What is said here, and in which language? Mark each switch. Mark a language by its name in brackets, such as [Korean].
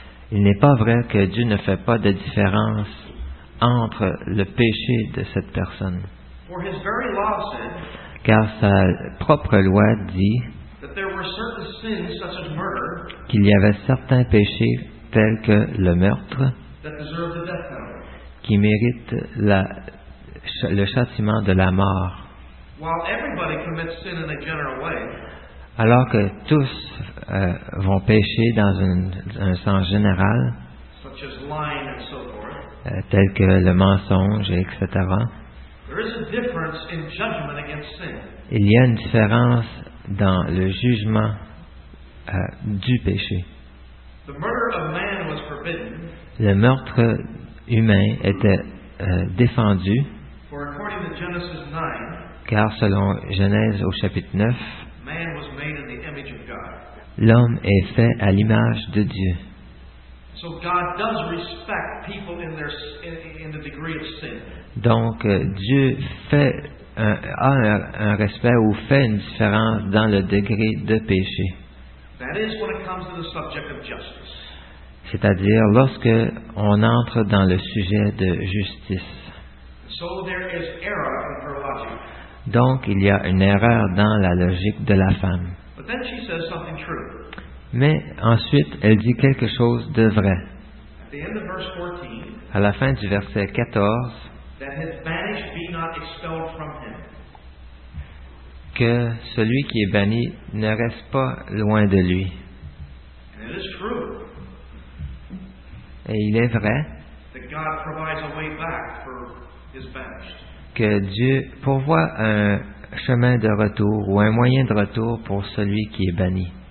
[French] Il n'est pas vrai que Dieu ne fait pas de différence entre le péché de cette personne. [English] For his very law said, [French] car sa propre loi dit [English] that there were certain sins, such as murder, [French] qu'il y avait certains péchés tels que le meurtre [English] that deserve the death penalty, [French] qui méritent le châtiment de la mort. [English] While everybody commits sin in a general way, [French] alors que tous vont pécher dans un sens général, [English] such as lying and so forth, [French] tels que le mensonge, etc. [English] There is a difference in judgment against sin. [French] Il y a une différence dans le jugement du péché. [English] The murder of man was forbidden. [French] Le meurtre humain était défendu. [English] For according to Genesis 9, [French] car selon Genèse au chapitre 9, [English] man was made in the image of God. [French] L'homme est fait à l'image de Dieu. [English] So God does respect people in the degree of sin. [French] Donc Dieu fait un respect ou fait une différence dans le degré de péché. [English] That is when it comes to the subject of justice. [French] C'est-à-dire lorsque on entre dans le sujet de justice. [English] So there is error in her logic. [French] Donc, il y a une erreur dans la logique de la femme. [English] But then she says something true. [French] Mais ensuite, elle dit quelque chose de vrai. [English] At the end of verse 14, [French] à la fin du verset 14, [English] that his banished be not expelled from him. [French] Que celui qui est banni ne reste pas loin de lui. [English] And it is true. [French] Et il est vrai [English] that God provides a way back for his banished. [French] Que Dieu pourvoit un chemin de retour ou un moyen de retour pour celui qui est banni.